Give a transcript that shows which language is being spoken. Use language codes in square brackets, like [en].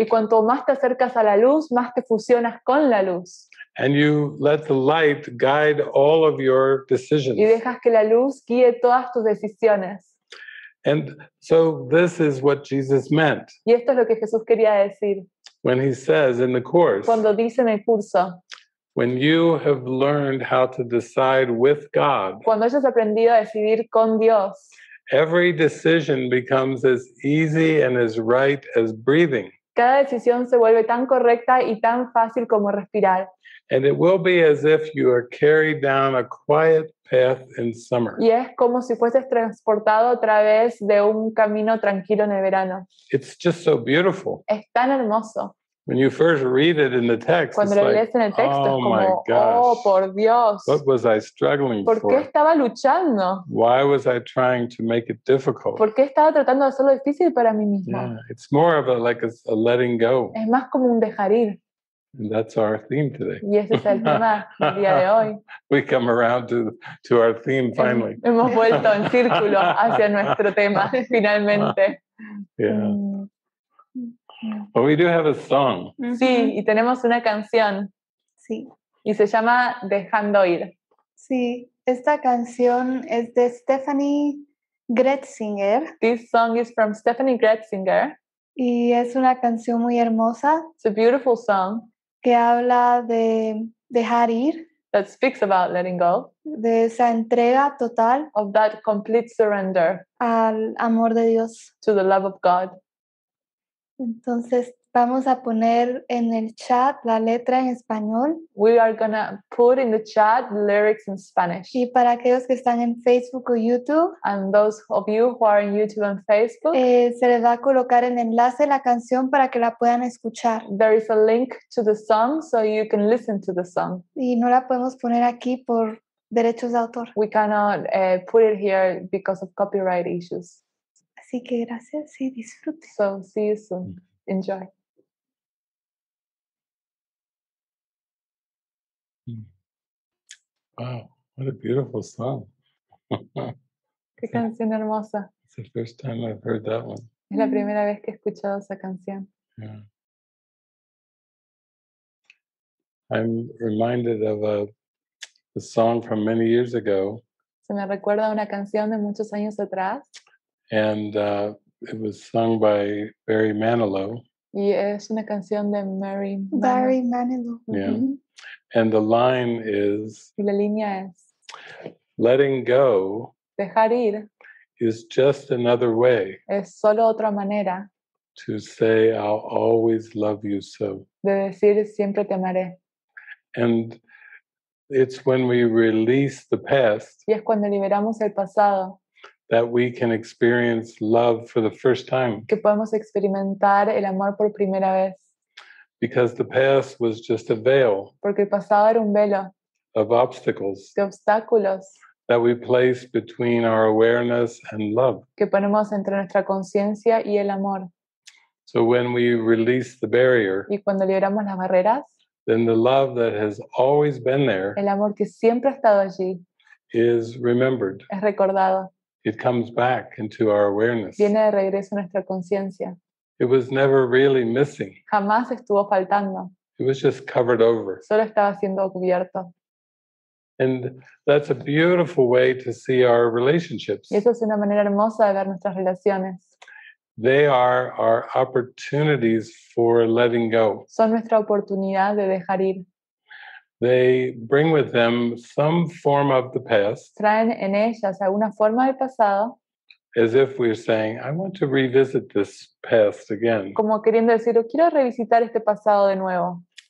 [es] Y cuanto más te acercas a la luz, más te fusionas con la luz. [en] And you let the light guide all of your decisions. [es] Y dejas que la luz guíe todas tus decisiones. [en] And so this is what Jesus meant. [es] Y esto es lo que Jesús quería decir. [en] When he says in the course. [es] Cuando dice en el curso. [en] When you have learned how to decide with God. [es] Cuando hayas aprendido a decidir con Dios. [en] Every decision becomes as easy and as right as breathing. [es] Cada decisión se vuelve tan correcta y tan fácil como respirar. [en] And it will be as if you are carried down a quiet path in summer. [es] Y es como si fueses transportado a través de un camino tranquilo en el verano. [en] It's just so beautiful. [es] Es tan hermoso. [en] When you first read it in the text, [es] cuando [en] it's [es] lo lees [en] like, [es] en el texto, oh es como, [en] my gosh, [es] oh, por Dios, [en] what was I struggling [es] ¿por qué [en] for? [es] Estaba luchando? [en] Why was I trying to make it difficult? [es] ¿Por qué estaba tratando de hacerlo difícil para mí mismo? [en] Yeah, it's more of a like a letting go. [es] Es más como un dejar ir. [en] And that's our theme today. [es] Y ese es el tema del día de hoy. [en] We come around to our theme finally. [es] Hemos vuelto en círculo hacia nuestro tema finalmente. [en] Yeah. But we do have a song. [es] Sí, y tenemos una canción. Sí. Y se llama Dejando Ir. Sí, esta canción es de Stephanie Gretzinger. [en] This song is from Stephanie Gretzinger. [es] Y es una canción muy hermosa. [en] It's a beautiful song. [es] Que habla de dejar ir. [en] That speaks about letting go. [es] De esa entrega total. [en] Of that complete surrender. [es] Al amor de Dios. [en] To the love of God. [es] Entonces vamos a poner en el chat la letra en español. [en] We are gonna put in the chat lyrics in Spanish. [es] Y para aquellos que están en Facebook o YouTube. [en] And those of you who are in YouTube and Facebook. [es] Se les va a colocar el enlace a la canción para que la puedan escuchar. [en] There is a link to the song so you can listen to the song. [es] Y no la podemos poner aquí por derechos de autor. [en] We cannot put it here because of copyright issues. [es] Así que gracias y disfrute. [en] So see you soon. Enjoy. Wow, what a beautiful song. [es] Qué canción hermosa. [en] It's the first time I've heard that one. [es] Es la primera vez que he escuchado esa canción. [en] Yeah. I'm reminded of a song from many years ago. [es] Se me recuerda una canción de muchos años atrás. [en] And it was sung by Barry Manilow. [es] Y es una canción de Mary Barry Manilow. [en] Yeah. Mm-hmm. And the line is, [es] y la línea es, [en] letting go, [es] dejar ir, [en] is just another way, [es] es solo otra manera, [en] to say I'll always love you so, [es] de decir siempre te amaré. [en] And it's when we release the past, [es] y es cuando liberamos el pasado, [en] that we can experience love for the first time. [es] Que podemos experimentar el amor por primera vez. [en] Because the past was just a veil. [es] Porque el pasado era un velo. [en] Of obstacles. [es] De obstáculos. [en] That we place between our awareness and love. [es] Que ponemos entre nuestra conciencia y el amor. [en] So when we release the barrier. [es] Y cuando liberamos las barreras. [en] Then the love that has always been there. [es] El amor que siempre ha estado allí. [en] Is remembered. [es] Es recordado. [en] It comes back into our awareness. [es] Viene de regreso a nuestra conciencia. [en] It was never really missing. [es] Jamás estuvo faltando. [en] It was just covered over. [es] Solo estaba siendo cubierto. [en] And that's a beautiful way to see our relationships. [es] Y eso es una manera hermosa de ver nuestras relaciones. [en] They are our opportunities for letting go. [es] Son nuestra oportunidad de dejar ir. [en] They bring with them some form of the past. [es] Traen en ellas alguna forma del pasado. [en] As if we're saying, I want to revisit this past again. [es] Como queriendo decir, quiero revisitar este pasado de nuevo.